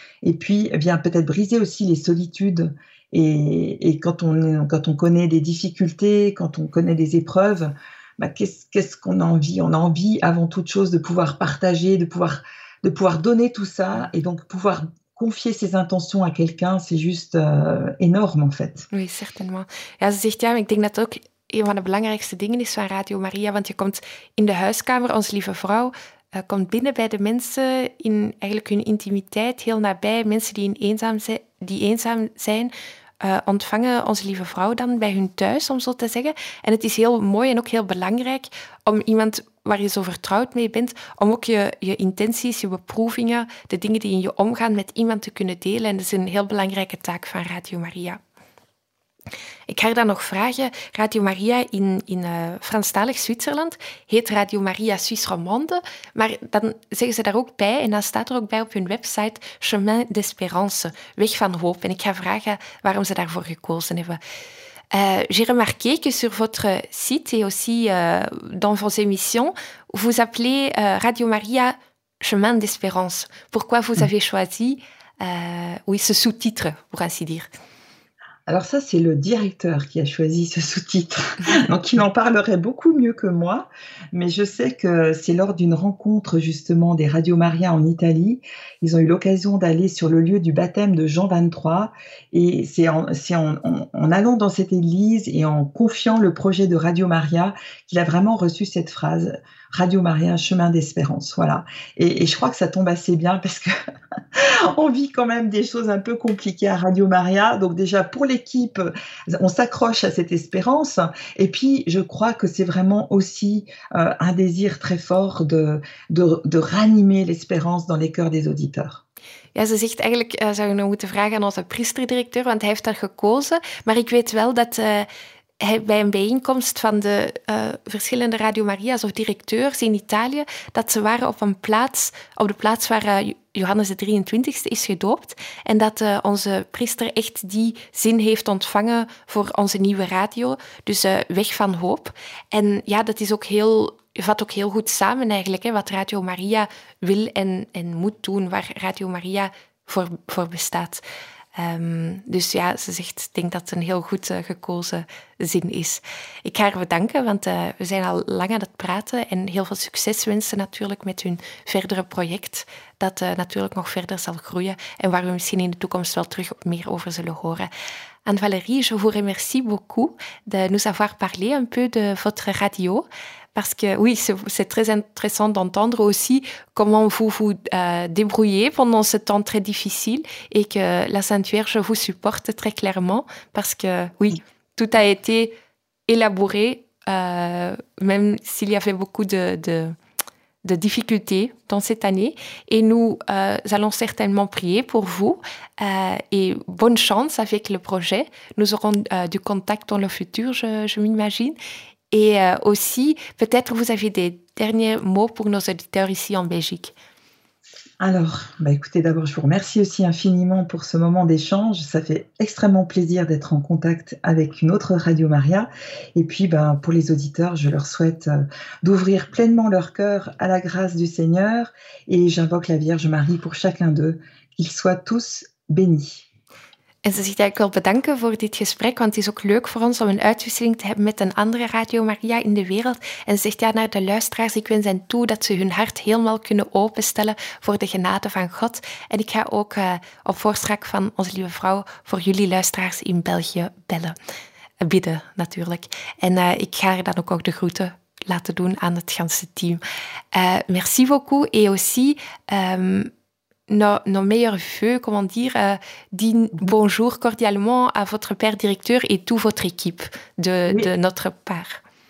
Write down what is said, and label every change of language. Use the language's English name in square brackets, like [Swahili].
[French] Et puis, vient peut-être briser aussi les solitudes. Et quand on connaît des difficultés, quand on connaît des épreuves, qu'est-ce qu'on a envie ? On a envie, avant toute chose, de pouvoir partager, de pouvoir donner tout ça et donc pouvoir confier ses intentions à quelqu'un, c'est juste énorme en fait. Oui, certainement. [Dutch] Ja, ze zegt ja, maar ik denk dat ook een van de belangrijkste dingen is van Radio Maria, want je komt in de huiskamer, Onze Lieve Vrouw, komt binnen bij de mensen in eigenlijk hun intimiteit, heel nabij, mensen die eenzaam zijn, ontvangen Onze Lieve Vrouw dan bij hun thuis, om zo te zeggen. En het is heel mooi en ook heel belangrijk om iemand waar je zo vertrouwd mee bent, om ook je intenties, je beproevingen, de dingen die in je omgaan, met iemand te kunnen delen. En dat is een heel belangrijke taak van Radio Maria. Ik ga je dan nog vragen. Radio Maria in Franstalig Zwitserland heet Radio Maria Suisse Romande, maar dan zeggen ze daar ook bij, en dan staat er ook bij op hun website Chemin d'Espérance, weg van hoop. En ik ga vragen waarom ze daarvoor gekozen hebben. [French] J'ai remarqué que sur votre site et aussi dans vos émissions, vous appelez Radio Maria Chemin d'Espérance. Pourquoi vous avez choisi ce sous-titre, pour ainsi dire? Alors ça, c'est le directeur qui a choisi ce sous-titre. Donc il en parlerait beaucoup mieux que moi. Mais je sais que c'est lors d'une rencontre justement des Radio Maria en Italie. Ils ont eu l'occasion d'aller sur le lieu du baptême de Jean 23. Et c'est en allant dans cette église et en confiant le projet de Radio Maria qu'il a vraiment reçu cette phrase. Radio Maria, chemin d'espérance, voilà. Et je crois que ça tombe assez bien parce que on vit quand même des choses un peu compliquées à Radio Maria. Donc déjà, pour l'équipe, on s'accroche à cette espérance. Et puis, je crois que c'est vraiment aussi un désir très fort de ranimer l'espérance dans les cœurs des auditeurs. [Dutch] Ja, ze zegt eigenlijk, zou je nog moeten vragen aan onze priesterdirecteur, want hij heeft daar gekozen. Maar ik weet wel dat... bij een bijeenkomst van de verschillende Radio Maria's of directeurs in Italië, dat ze waren op een plaats, op de plaats waar Johannes de 23e is gedoopt. En dat onze priester echt die zin heeft ontvangen voor onze nieuwe radio. Dus weg van hoop. En ja, dat is ook heel, vat ook heel goed samen eigenlijk, hè, wat Radio Maria wil en moet doen, waar Radio Maria voor bestaat. Dus ja, ze zegt, ik denk dat het een heel goed gekozen zin is. Ik ga haar bedanken, want we zijn al lang aan het praten en heel veel succes wensen natuurlijk met hun verdere project, dat natuurlijk nog verder zal groeien en waar we misschien in de toekomst wel terug meer over zullen horen. [French] Anne-Valérie, je vous remercie beaucoup de nous avoir parlé un peu de votre radio. Parce que oui, c'est très intéressant d'entendre aussi comment vous vous débrouillez pendant ce temps très difficile et que la Sainte Vierge vous supporte très clairement. Parce que oui, tout a été élaboré, même s'il y avait beaucoup de difficultés dans cette année. Et nous allons certainement prier pour vous. Et bonne chance avec le projet. Nous aurons du contact dans le futur, je m'imagine. Et aussi, peut-être vous avez des derniers mots pour nos auditeurs ici en Belgique. Alors, écoutez, d'abord, je vous remercie aussi infiniment pour ce moment d'échange. Ça fait extrêmement plaisir d'être en contact avec une autre Radio Maria. Et puis, pour les auditeurs, je leur souhaite d'ouvrir pleinement leur cœur à la grâce du Seigneur. Et j'invoque la Vierge Marie pour chacun d'eux. Qu'ils soient tous bénis. [Dutch] En ze zegt, ja, ik wil bedanken voor dit gesprek, want het is ook leuk voor ons om een uitwisseling te hebben met een andere Radio Maria in de wereld. En ze zegt, ja, naar de luisteraars, ik wens hen toe dat ze hun hart helemaal kunnen openstellen voor de genade van God. En ik ga ook op voorspraak van Onze Lieve Vrouw voor jullie luisteraars in België bellen. Bidden, natuurlijk. En ik ga haar dan ook de groeten laten doen aan het ganse team. [French] Merci beaucoup et aussi... Nos meilleurs vœux, comment dire, dit bonjour cordialement à votre père directeur et toute votre équipe de notre part.